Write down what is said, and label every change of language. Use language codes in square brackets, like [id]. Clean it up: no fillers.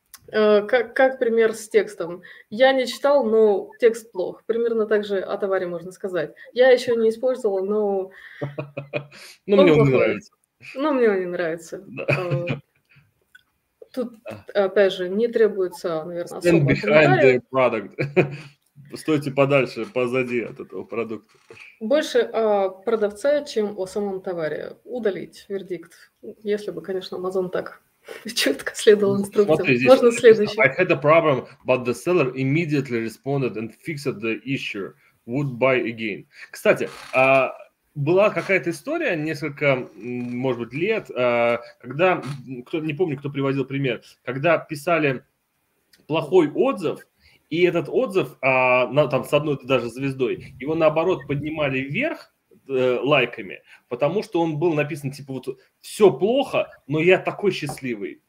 [ru] Как пример с текстом. Я не читал, но текст плох. Примерно так же о товаре можно сказать. Я еще не использовала, но... Ну, мне он не нравится. Ну, мне он не нравится. Тут, опять же, не требуется, наверное, особо... [en] Stand behind the product. [ru] Стойте подальше, позади от этого продукта. Больше о продавце, чем о самом товаре. Удалить вердикт. Если бы, конечно, Amazon так... Четко следовал инструкциям. Можно следующий. [en] I had a problem, but the seller immediately responded and fixed the issue. Would buy again. [ru] Кстати, была какая-то история несколько, может быть, лет, когда, не помню, кто приводил пример, когда писали плохой отзыв, и этот отзыв, там с одной даже звездой, его наоборот поднимали вверх, лайками, потому что он был написан, типа, вот, все плохо, но я такой счастливый.